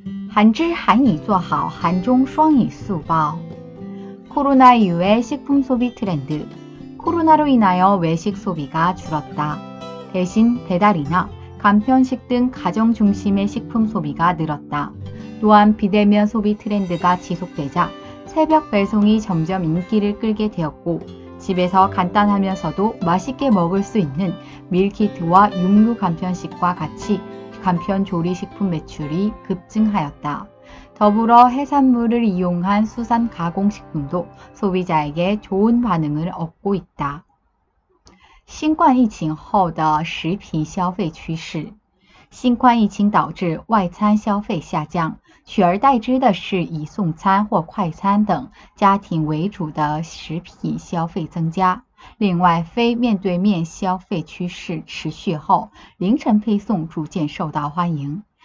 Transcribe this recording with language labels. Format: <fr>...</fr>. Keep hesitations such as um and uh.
<ko>韩知韩이做好 한중双语 수업. 코로나 이후의 식품 소비 트렌드. 코로나로 인하여 외식 소비가 줄었다. 대신 배달이나 간편식 등 가정 중심의 식품 소비가 늘었다. 또한 비대면 소비 트렌드가 지속되자 새벽 배송이 점점 인기를 끌게 되었고 집에서 간단하면서도 맛있게 먹을 수 있는 밀키트와 육류 간편식과 같이 간편 조리 식품 매출이 급증하였다. 더불어 해산물을 이용한 수산 가공 식품도 소비자에게 좋은 반응을 얻고 있다.</ko> <zh>신冠疫情后的食品消费趋势。新冠疫情导致外餐消费下降，取而代之的是以送餐或快餐等家庭为主的食品消费增加。另外，非面对面消费趋势持续后，凌晨配送逐渐受到欢迎。</zh>